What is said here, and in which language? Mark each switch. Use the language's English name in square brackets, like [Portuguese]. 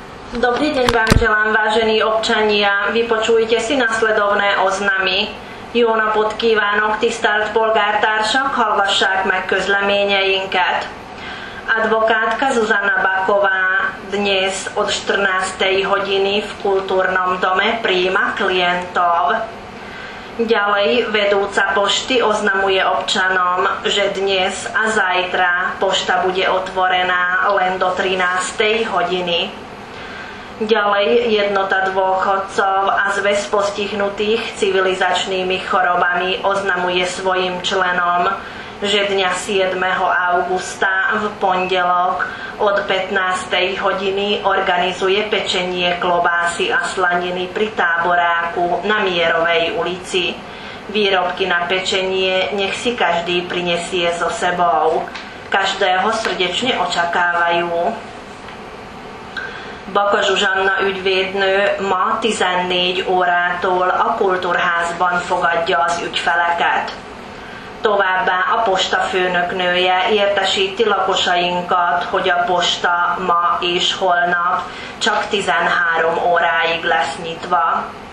[Slovak] Dobrý deň vám želám, vážení občania. Vypočujte si nasledovné oznamy. [Hungarian] Jóna podkívánok, tisztelt polgártársak, hallgassák meg közleményeinket. [Slovak] Advokátka Zuzana Baková dnes od 14. hodiny v kultúrnom dome prijíma klientov. Ďalej vedúca pošty oznamuje občanom, že dnes a zajtra pošta bude otvorená len do 13. hodiny. Ďalej jednota dôchodcov a zväz postihnutých civilizačnými chorobami oznamuje svojim členom, že dňa 7. augusta v pondelok od 15. hodiny organizuje pečenie klobásy a slaniny pri táboráku na Mierovej ulici. Výrobky na pečenie nech si každý prinesie so sebou. Každého srdečne očakávajú. [Hungarian] Baka Zsuzsanna ügyvédnő ma 14 órától a kultúrházban fogadja az ügyfeleket. Továbbá a posta főnöknője értesíti lakosainkat, hogy a posta ma és holnap csak 13 óráig lesz nyitva.